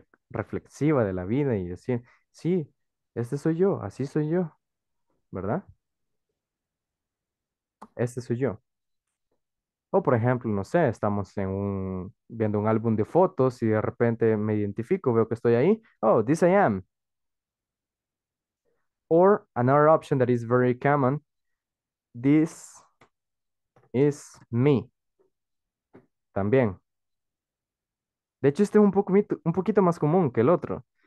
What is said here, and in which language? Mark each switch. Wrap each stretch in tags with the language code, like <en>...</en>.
<es>reflexiva de la vida y decir, sí, este soy yo, así soy yo, ¿verdad? Este soy yo. O por ejemplo, no sé, estamos en un, viendo un álbum de fotos y de repente me identifico, veo que estoy ahí.</es> <en>Oh, this I am. Or another option that is very common, this is me.</en> <es>También. De hecho, este es un poquito más común que el otro.</es>